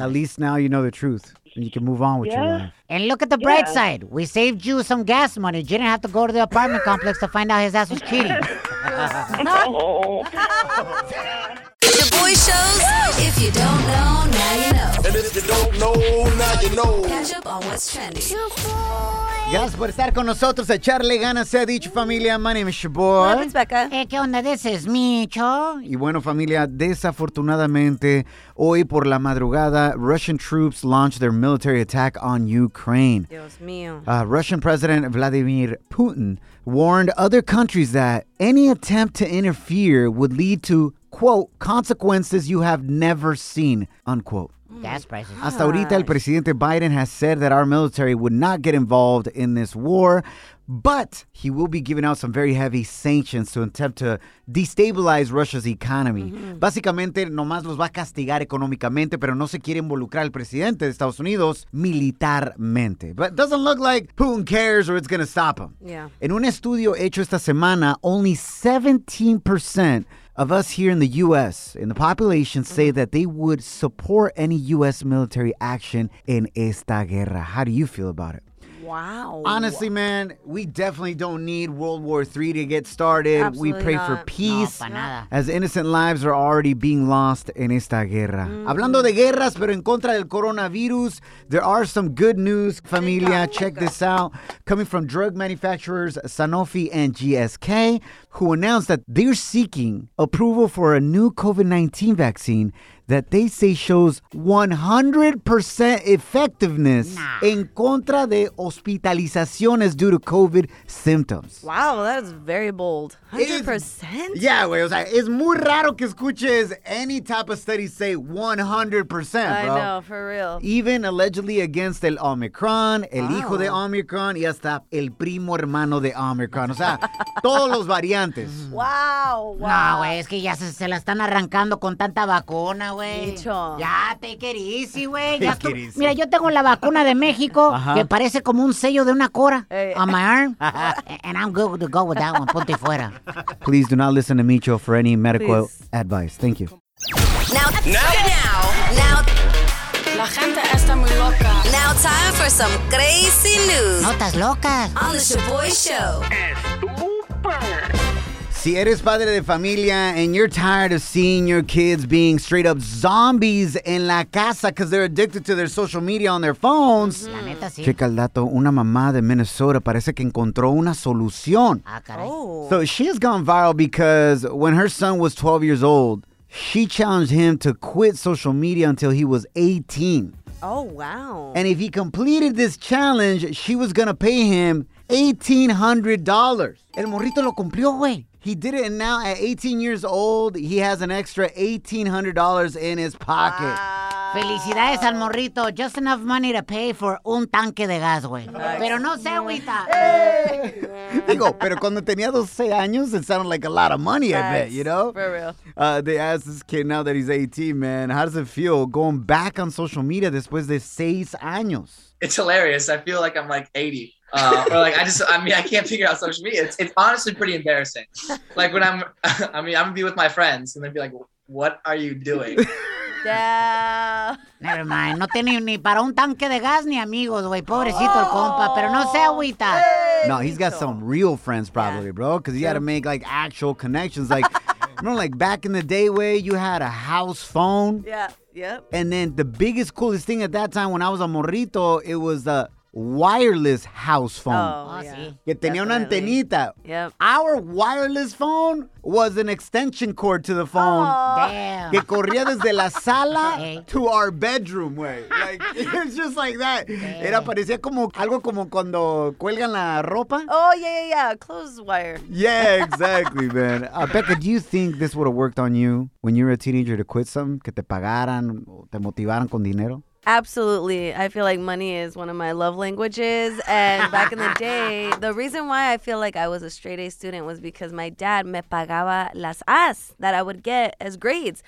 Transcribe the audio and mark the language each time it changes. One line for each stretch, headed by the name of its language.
English: At least now you know the truth, and you can move on with your life. And look at the bright side. We saved you some gas money. You didn't have to go to the apartment complex to find out his ass was cheating. Oh. The Boy Shows. If you don't know, now you know. And if you don't know, now you know. Catch up on what's trending.
Spanish: Gracias por estar con nosotros, echarle ganas, se ha dicho, familia.
English: My name is Shabor. What happens, Becca?
Spanish: ¿Qué onda?
English: This is Micho.
Spanish: Y bueno, familia, desafortunadamente, hoy por la madrugada,
English: Russian troops launched their military attack on Ukraine.
Spanish: Dios mío.
English: Russian President Vladimir Putin warned other countries that any attempt to interfere would lead to, quote, consequences you have never seen, unquote. Gas prices. Gosh.
Spanish: Hasta ahorita, el presidente
English: Biden has said that our military would not get involved in this war, but he will be giving out some very heavy sanctions to attempt to destabilize Russia's economy. Mm-hmm.
Spanish: Básicamente, nomás los va a castigar económicamente, pero no se quiere involucrar el presidente de Estados Unidos militarmente.
English: But it doesn't look like Putin cares or it's going to stop him. Yeah.
Spanish: En un estudio hecho esta semana,
English: only 17% of us here in the U.S., in the population, say mm-hmm. that they would support any U.S. military action in
Spanish: esta guerra.
English: How do you feel about it? Wow. Honestly, man, we definitely don't need World War III to get started. Absolutely we pray not. For peace.
Spanish: No, para nada.
English: As innocent lives are already being lost in
Spanish: esta guerra.
English: Mm-hmm.
Spanish: Hablando de guerras, pero en contra del coronavirus,
English: there are some good news, familia. Check this out. Coming from drug manufacturers Sanofi and GSK, who announced that they're seeking approval for a new COVID-19 vaccine that they say shows 100% effectiveness
Spanish: en contra de hospitalizaciones
English: due to COVID symptoms. Wow, that is very bold. 100%?
Spanish: Yeah, güey, o sea, es muy raro que escuches
English: any type of study say 100%,
Spanish: bro.
English: I know, for real. Even allegedly against
Spanish: el Omicron, el hijo de Omicron, y hasta el primo hermano de Omicron. O sea, todos los variantes.
English: Wow.
Spanish: No, güey, es que ya se la están arrancando con tanta vacuna. Wey.
English: Ya, take it easy, güey.
Spanish: Mira, yo tengo la vacuna de México que parece como un sello de una cora
English: on my arm. And I'm good to go with that one.
Spanish: Ponte fuera.
English: Please do not listen to Micho for any medical advice. Thank you. Now.
Spanish: La gente está muy loca.
English: Now time for some crazy news.
Spanish: Notas locas.
English: On the Shaboy Show.
Spanish: Si eres padre de familia
English: and you're tired of seeing your kids being straight up zombies
Spanish: en la casa
English: because they're addicted to their social media on their phones.
Spanish: La neta, sí. Checa el dato. Una mamá de Minnesota parece que encontró una solución. Ah, caray. Oh.
English: So she has gone viral because when her son was 12 years old, she challenged him to quit social media until he was 18. Oh, wow. And if he completed this challenge, she was going to pay him $1,800.
Spanish: El morrito lo cumplió, güey.
English: He did it, and now at 18 years old, he has an extra $1,800 in his pocket. Wow.
Spanish: Felicidades al morrito.
English: Just enough money to pay for
Spanish: un tanque de gas, güey. Pero no sé, güita. Digo, pero cuando tenía 12 años,
English: it sounded like a lot of money, that's I bet, you know? For real. They asked this kid now that he's 18, man, how does it feel going back on social media
Spanish: después de 6 años?
English: It's hilarious. I feel like I'm like 80. I can't figure out social media. It's honestly pretty embarrassing. Like when I'm gonna be with my friends and they'd be like, what are you doing? Yeah. Never mind.
Spanish: No tiene ni para un tanque de gas ni amigos, güey. Pobrecito el compa. Pero no sé, agüita.
English: Hey, no, he's got some real friends probably, bro. Because he had to make like actual connections. Like, remember, like back in the day, way you had a house phone. Yeah. Yep. And then the biggest, coolest thing at that time when I was a morrito, it was the wireless house phone. Oh,
Spanish: yeah. Que tenía una antenita.
English: Yep. Our wireless phone was an extension cord to the phone. Oh, damn.
Spanish: Que corría desde la sala
English: to our bedroom,
Spanish: güey.
English: Like, it's just like that. Damn.
Spanish: Era parecía como algo como cuando cuelgan la ropa.
English: Oh, yeah. Clothes wire. Yeah, exactly, man. Becca, do you think this would have worked on you when you were a teenager to quit some?
Spanish: Que te pagaran, te motivaran con dinero?
English: Absolutely. I feel like money is one of my love languages. And back in the day, the reason why I feel like I was a straight A student was because my dad
Spanish: me pagaba
English: las A's that I would get as grades.